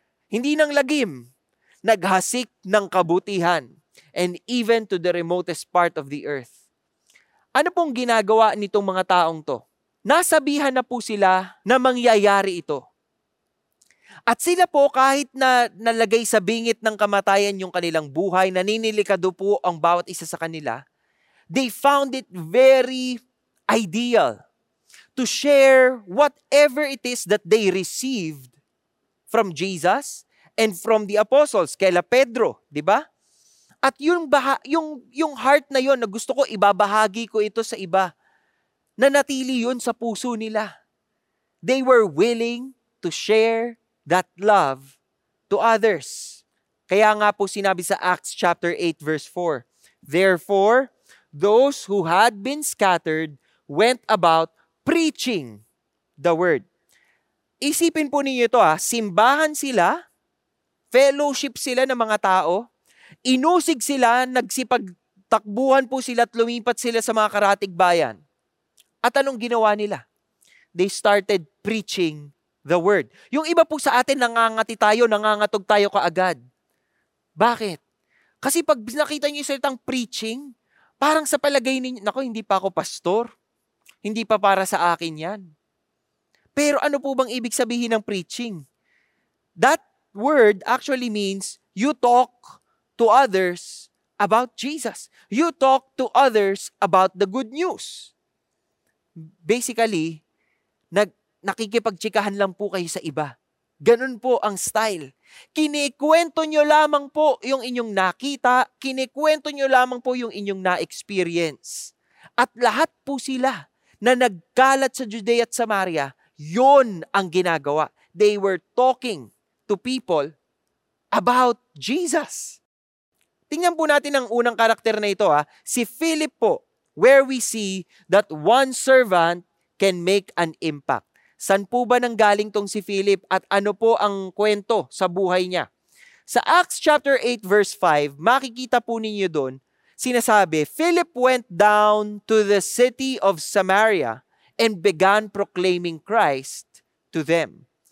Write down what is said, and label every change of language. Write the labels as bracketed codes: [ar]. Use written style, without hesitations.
[tl] Hindi ng lagim, naghasik ng kabutihan. [en] And even to the remotest part of the earth. [tl] Ano pong ginagawa nitong mga taong to? Nasabihan na po sila na mangyayari ito. At sila po kahit na nalagay sa bingit ng kamatayan yung kanilang buhay, naninilikado po ang bawat isa sa kanila, [en] they found it very ideal to share whatever it is that they received from Jesus and from the apostles, [tl] kaila Pedro, di ba? At yung heart na yon na gusto ko, ibabahagi ko ito sa iba, na natili yun sa puso nila. [en] They were willing to share that love to others. [tl] Kaya nga po sinabi sa Acts chapter 8 verse 4, "Therefore, those who had been scattered went about preaching the word." Isipin po ninyo ito ha, simbahan sila, fellowship sila ng mga tao, inusig sila, nagsipagtakbuhan po sila at lumipat sila sa mga karatig bayan. At anong ginawa nila? [en] They started preaching the word. [tl] Yung iba po sa atin, nangangati tayo, nangangatog tayo kaagad. Bakit? Kasi pag nakita niyo yung salitang preaching, parang sa palagay ninyo, nako, hindi pa ako pastor. Hindi pa para sa akin yan. Pero ano po bang ibig sabihin ng preaching? [en] That word actually means you talk to others about Jesus. You talk to others about the good news. [tl] Basically, nakikipagtsikahan lang po kayo sa iba. Ganun po ang style. Kinikwento nyo lamang po yung inyong nakita, kinikwento nyo lamang po yung inyong na-experience. At lahat po sila na nagkalat sa Judea at Samaria, yon ang ginagawa. [en] They were talking to people about Jesus. [tl] Tingnan po natin ang unang karakter na ito, ha? Si Philip po, [en] where we see that one servant can make an impact. [tl] San po ba nang galing tong si Philip at ano po ang kwento sa buhay niya? Sa Acts chapter 8 verse 5, makikita po ninyo doon, sinasabi, [en] "Philip went down to the city of Samaria and began proclaiming Christ to them."